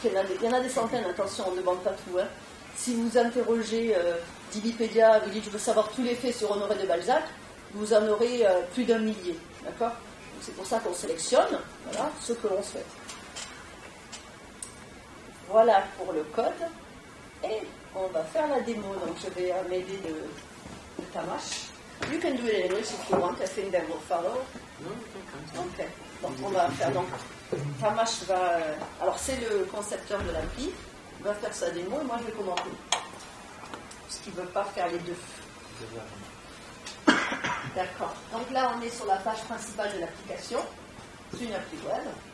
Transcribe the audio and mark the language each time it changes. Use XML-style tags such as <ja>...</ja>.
<fr>Parce qu'il y en a des centaines, attention, on ne demande pas tout. Hein. Si vous interrogez Wikipédia, vous dites je veux savoir tous les faits sur Honoré de Balzac, vous en aurez plus d'un millier. D'accord ? C'est pour ça qu'on sélectionne, voilà, ce que l'on souhaite. Voilà pour le code. Et on va faire la démo. Donc je vais m'aider de Tamash.</fr> <en>You can do it in English if you want. I think that will follow.</en> <fr>Ok. Donc on va faire. Donc Tamash va. Alors c'est le concepteur de l'appli. Va faire sa démo et moi je vais commenter. Parce qu'il ne veut pas faire les deux. D'accord. Donc là, on est sur la page principale de l'application. C'est une appli web.</fr>